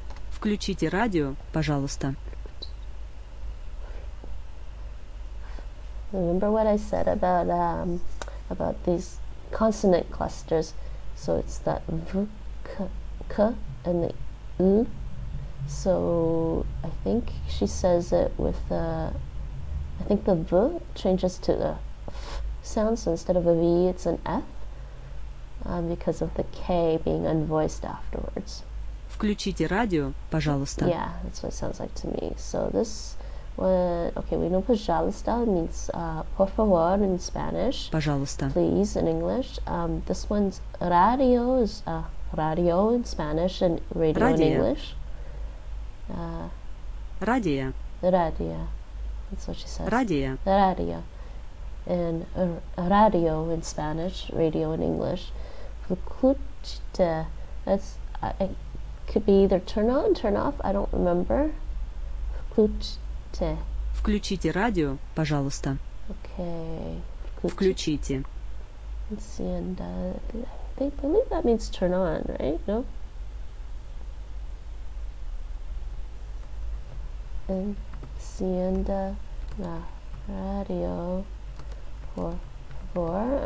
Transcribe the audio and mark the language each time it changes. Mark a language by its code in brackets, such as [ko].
[ru] Включите радио, пожалуйста. [en] Remember what I said about these consonant clusters? So it's that v, k, k, and the u. So I think she says it with I think the v changes to a f sound, so instead of a v, it's an f, because of the k being unvoiced afterwards. [ru] Включите радио, пожалуйста. [en] Yeah, that's what it sounds like to me. So this one, okay, we know pajalista means por favor in Spanish, [ru] Пожалуйста. [en] please in English. This one's radio is radio in Spanish and radio in [ru] Радия. [en] English. [ru] Радия. [en] Radio, that's what she says. [ru] Радия. [en] Radio. And radio in Spanish, radio in English. [ru] Включите, [en] that's, I could be either turn on, turn off, I don't remember. [ru] Включите. Включите радио, пожалуйста. Okay, включите. Включите. [en] Let's see, and I believe that means turn on, right? No? [es] And encienda la radio, por favor.